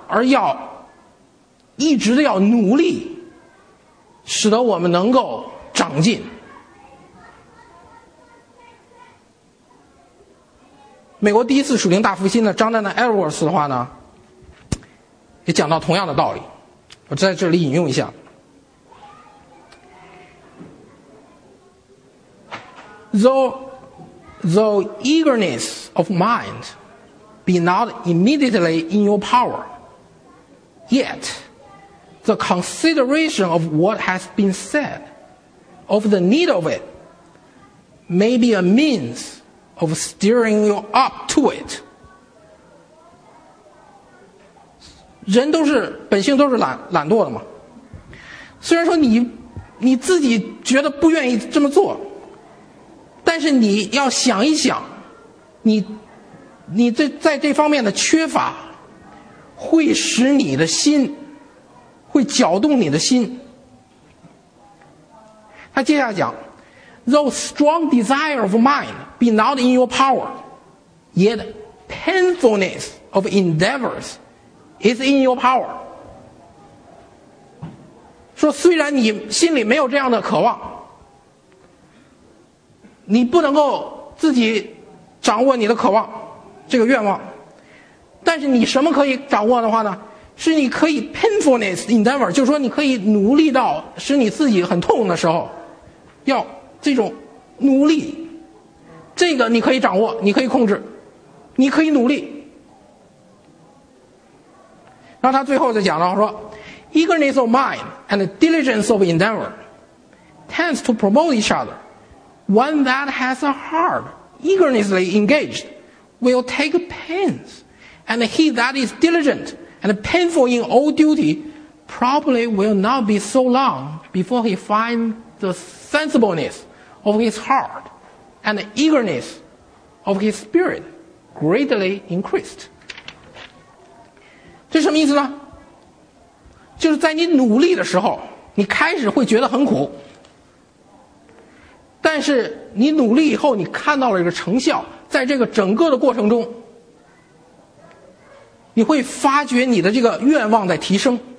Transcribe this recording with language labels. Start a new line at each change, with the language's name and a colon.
Chinese: 而要一直的要努力，使得我们能够长进。美国第一次属灵大复兴的张丹的 Edwards 的话呢，也讲到同样的道理，我在这里引用一下。
English: Though eagerness of mind be not immediately in your power, yet the consideration of what has been said, of the need of it, may be a means of steering you up to it.
Chinese: 人都是本性都是懒惰的嘛。虽然说你自己觉得不愿意这么做，但是你要想一想，你在这方面的缺乏会使你的心会搅动你的心。他接下来讲
English: Though strong desire of mind be not in your power, yet painfulness of endeavors is in your power.
Chinese: 说虽然你心里没有这样的渴望，你不能够自己掌握你的渴望这个愿望，但是你什么可以掌握的话呢？是你可以
English: painfulness endeavor，
Chinese: 就是说你可以努力到使你自己很痛的时候，要这种努力，这个你可以掌握，你可以控制，你可以努力。然后他最后就讲到说
English: eagerness of mind and diligence of endeavor tends to promote each other. One that has a heart eagerly engaged will take pains, and he that is diligent and painful in all duty probably will not be so long before he finds the sensibleness of his heart and the eagerness of his spirit greatly increased.
Chinese: 这什么意思呢？就是在你努力的时候，你开始会觉得很苦，但是你努力以后，你看到了一个成效，在这个整个的过程中，你会发觉你的这个愿望在提升。